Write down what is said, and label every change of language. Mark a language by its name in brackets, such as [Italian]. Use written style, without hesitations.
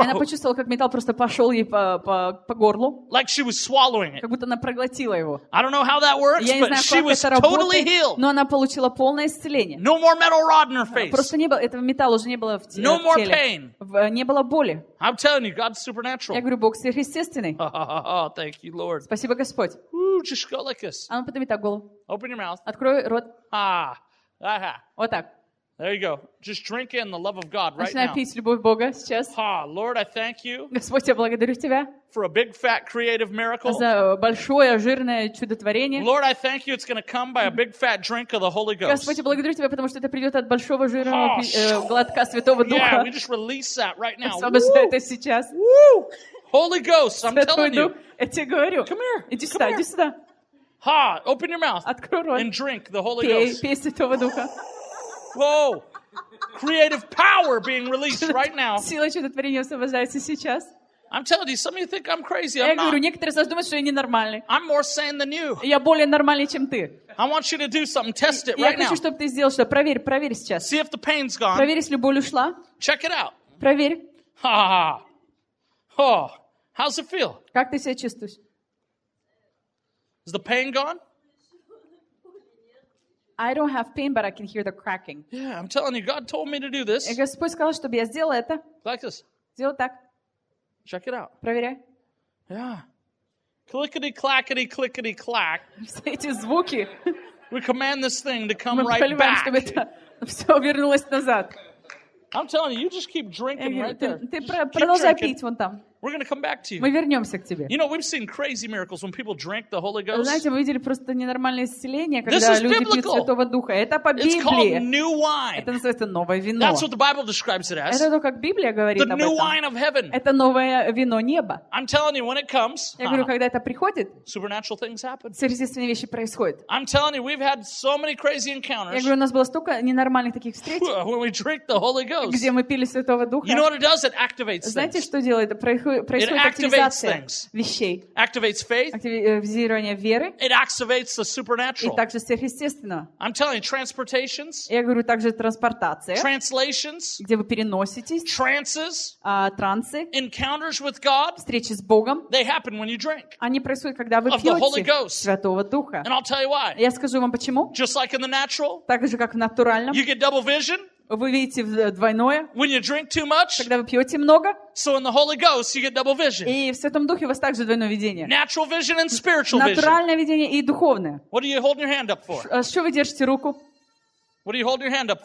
[Russian] И она почувствовала, как металл просто пошел ей по горлу. [English] Like she was swallowing it. [Russian] Как будто она проглотила его. [English] I don't know how that works, but she was totally healed. [Russian] Но она получила полное исцеление. [English] No more metal rod in her face. [Russian] Этого металла уже не было в теле. [English] No more pain. [Russian] Не было боли. [English] I'm telling you, God's supernatural. [Russian] Я говорю, Бог сверхъестественный. [English] Thank you, Lord. [Russian] Спасибо, Господь. [English] Ooh, just go like this. [Russian] А ну подними так голову. [English] Open your mouth. [Russian] Открой рот. Ah. Вот так. [English] There you go. Just drink in the love of God right [Russian] Начинай [English] now. [Russian] Начинай пить любовь Бога сейчас. [English] Ha, Lord, I thank you. [Russian] Господь, я благодарю тебя. [English] For a big, fat, creative miracle. [Russian] За большое, жирное чудотворение. [English] Lord, I thank you. It's going to come by a big, fat drink of the Holy Ghost. [Russian] Господь, я благодарю тебя, потому что это придет от большого, жирного глотка Святого Духа. [English] Yeah, we just release that right now. [Russian] Освобождаю это сейчас. [English] Woo! Holy Ghost, I'm telling you. [Russian] Я тебе говорю. [English] Come here. [Russian] Иди сюда, иди сюда. [English] Ha, open your mouth. [Russian] Открой рот. [English] And drink the Holy Ghost. [Russian] Пей Святого Духа. [English] Whoa! Creative power being released right now. [Russian] Сила чудотворения освобождается сейчас. [English] I'm telling you, some of you think I'm crazy. I'm not. [Russian] Я говорю, некоторые из вас думают, что я ненормальный. [English] I'm more sane than you. [Russian] Я более нормальный, чем ты. [English] I want you to do something. Test it right now. [Russian] Я хочу, чтобы ты сделал что. Проверь сейчас. [English] See if the pain's gone. [Russian] Проверь, если боль ушла. [English] Check it out. [Russian] Проверь. [English] Ha ha. Ha. How's it feel? [Russian] Как ты себя чувствуешь? [English] Is the pain gone? I don't have pain, but I can hear the cracking. Yeah, I'm telling you, God told me to do this. [Russian] И Господь сказал, чтобы я сделал это. [English] Like this. [Russian] Сделал так. [English] Check it out. [Russian] Проверяй. [English] Yeah. Clickety-clackety-clickety-clack. [Russian] Все эти звуки. [English] We command this thing to come [Russian] Мы [English] right [Russian] поливаем, [English] back. [Russian] Чтобы это все вернулось назад. [English] I'm telling you, you just keep drinking right there. [Russian] Ты продолжай пить вон там. [English] We're going to come back to you. [Russian] Мы вернемся к тебе. [English] You know, we've seen crazy miracles when people drank the Holy Ghost. [Russian] Знаете, мы видели просто ненормальное исцеление, когда люди пьют Святого Духа. Это по Библии. [English] It's called new wine. [Russian] Это называется новое вино. [English] That's what the Bible describes it as. [Russian] Это то, как Библия говорит об этом. [English] The new wine of heaven. [Russian] Это новое вино неба. [English] I'm telling you, when it comes. [Russian] Я говорю, когда это приходит. [English] Supernatural things happen. [Russian] Сверхъестественные вещи происходят. [English] I'm telling you, we've had so many crazy encounters. [Russian] Я говорю, у нас было столько ненормальных таких встреч. [English] When we drink the Holy Ghost. [Russian] Где мы пили Святого Духа. [English] You know what it does? It activates things. [Russian] Знаете, что делает? Это происходит. [English] It activates things. [Russian] Вещей. [English] Activates faith. [Russian] Активизирование веры. [English] It activates the supernatural. [Russian] И также сверхъестественного. [English] I'm telling you, transportations. [Russian] Я говорю также транспортация. [English] Translations. [Russian] Где вы переноситесь? [English] Trances. [Russian] Трансы. [English] Encounters with God. [Russian] Встречи с Богом. [English] They happen when you drink. [Russian] Они происходят, когда вы пьете. [English] Of the Holy Ghost. [Russian] Святого Духа. [English] And I'll tell you why. [Russian] Я скажу вам почему. [English] Just like in the natural. [Russian] Так же как в натуральном. [English] You get double vision. [Russian] Вы видите двойное. [English] When you drink too much, [Russian] когда вы пьете много. [English] So in the Holy Ghost, you get double vision. [Russian] И в Святом Духе у вас также двойное видение. [English] Natural vision and spiritual vision. [Russian] Натуральное видение и духовное. [English] What are you holding your hand up for? [Russian] А что вы держите руку? [English] What are you holding your hand up for?